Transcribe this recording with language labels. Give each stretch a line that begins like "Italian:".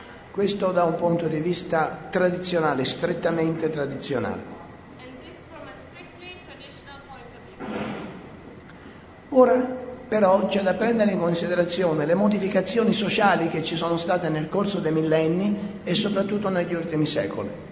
Italian: Questo da un punto di vista tradizionale, strettamente tradizionale.
English: And this from a strictly traditional point of view.
Italian: Ora, Però c'è da prendere in considerazione le modificazioni sociali che ci sono state nel corso dei millenni e soprattutto negli ultimi secoli.